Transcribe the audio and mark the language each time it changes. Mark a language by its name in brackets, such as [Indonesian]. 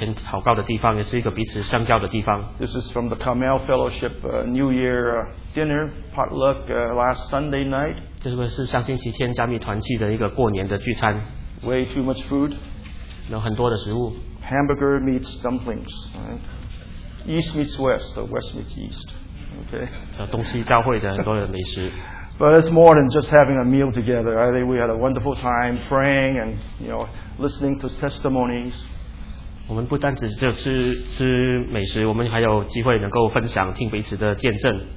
[Chinese] 所以桌子不只是我们来到神面前祷告的地方，也是一个彼此相交的地方。 [English] This is from the Carmel Fellowship New Year dinner potluck last Sunday night. [Chinese] 这是不是上星期天加密团契的一个过年的聚餐？ [English] Way too much food. [Chinese] 有很多的食物. [English] Hamburger meets dumplings, right? East meets West, or West meets East. Okay. [Chinese] 东西教会的很多的美食. [English] But it's more than just having a meal together. I think we had a wonderful time praying and, you know, listening to testimonies. [Chinese] 我们不单只就吃美食，我们还有机会能够分享，听彼此的见证.